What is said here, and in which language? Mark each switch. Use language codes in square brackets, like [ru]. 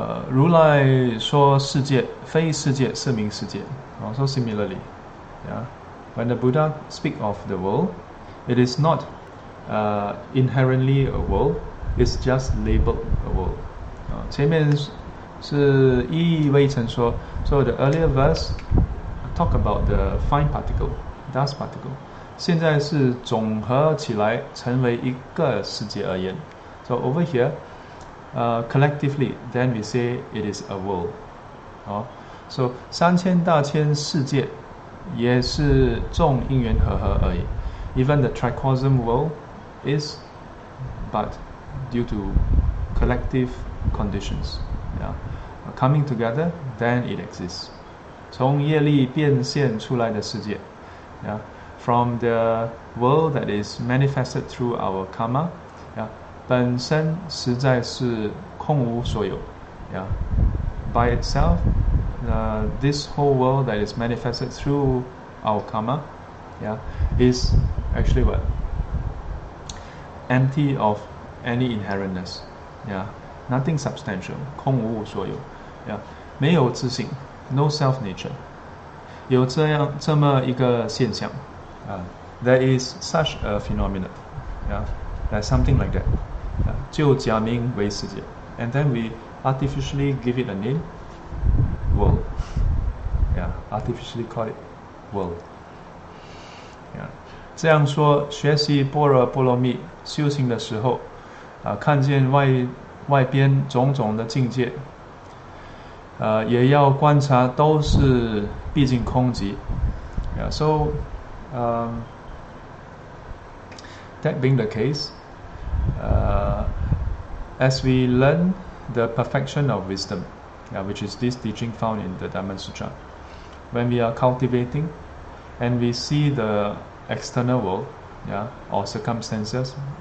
[zh] 如来说世界非世界是名世界. [en] So similarly, yeah, when the Buddha speak of the world, it is not inherently a world, it's just labeled a world. [zh] 前面是一微尘说, [en] so the earlier verse talk about the fine particle, dust particle. [zh] 现在是总合起来成为一个世界而言. [en] So over here, collectively, then we say it is a world. [zh] So, 三千大千世界也是众因缘和合而已. [en] Even the tricosm world is but due to collective conditions. Yeah. Coming together, then it exists. [zh] 从业力变现出来的世界. [en] Yeah. From the world that is manifested through our karma, [zh] 本身实在是空无所有, [en] yeah. By itself, this whole world that is manifested through our karma, yeah, is actually what? Empty of any inherentness, yeah. Nothing substantial, [zh] 空无所有, [en] yeah. [zh] 没有自性, [en] no self nature. [zh] 有这么一个现象, [en] there is such a phenomenon, yeah. There's something like that. [zh] 就假名为世界, [en] and then we artificially give it a name, world. Yeah, artificially call it world. [zh] Yeah, 这样说，学习般若波罗蜜修行的时候, 看见外边种种的境界, 也要观察都是毕竟空寂. [en] Yeah, so that being the case, as we learn the perfection of wisdom, yeah, which is this teaching found in the Diamond Sutra, when we are cultivating and we see the external world, yeah, or circumstances,